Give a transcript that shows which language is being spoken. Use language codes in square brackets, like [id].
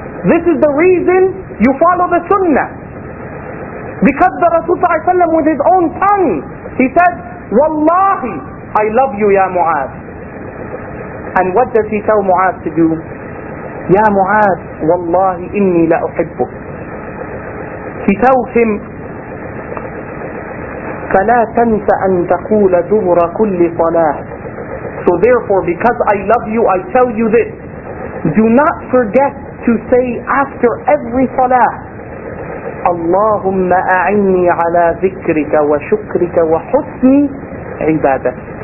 [en] This is the reason you follow the Sunnah. Because the Rasul [ar] sallallahu alayhi wa sallam, [en] with his own tongue, he said, wallahi, I love you, ya Mu'adh. And what does he tell Mu'adh to do? [ar] Ya Mu'adh, wallahi, inni la uhibbuk. [en] He tells him, [ar] فَلَا تَنْسَ أَن تَقُولَ دُبْرَ كُلِّ صَلَاةٍ. [en] So therefore, because I love you, I tell you this. Do not forget to say after every salah, [ar] Allahumma a'inni ala zikrika wa shukrika wa husni ibadat.